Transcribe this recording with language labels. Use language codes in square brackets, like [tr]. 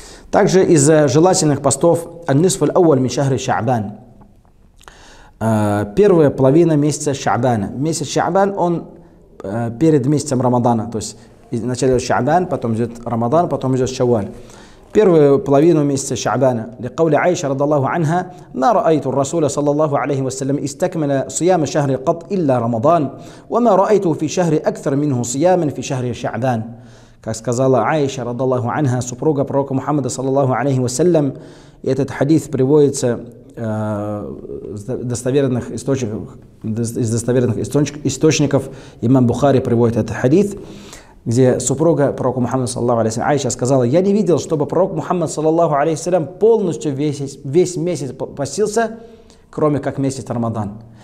[ru] Также из желательных постов [ar] «Ан-нисфаль ауаль мишахри Шаабан». [ru] Первая половина месяца Шаабана. Месяц Шаабан, он перед месяцем Рамадана. То есть вначале идет Шаабан, потом идет Рамадан, потом идет Шаваль. Первую половину месяца Шаабана. [ar] لقول عائشة رضي الله عنها ما رأيت الرسول صلى الله عليه وسلم استكمل صيام شهر قط إلا رمضان وما رأيته في شهر أكثر منه صياما في شهر شعبان. [ru] Как сказала [ar] عائشة رضي الله عنها, [ru] супруга пророка Мухаммада [ar] صلى الله عليه وسلم, [ru] и этот хадис приводится из достоверных источников имам Бухари приводит этот хадис, где супруга пророка Мухаммада саллаллаху алейхи ва саллям Аиша сказала: «Я не видел, чтобы пророк Мухаммад саллаллаху алейхи ва саллям полностью весь месяц постился, кроме как месяц Рамадан.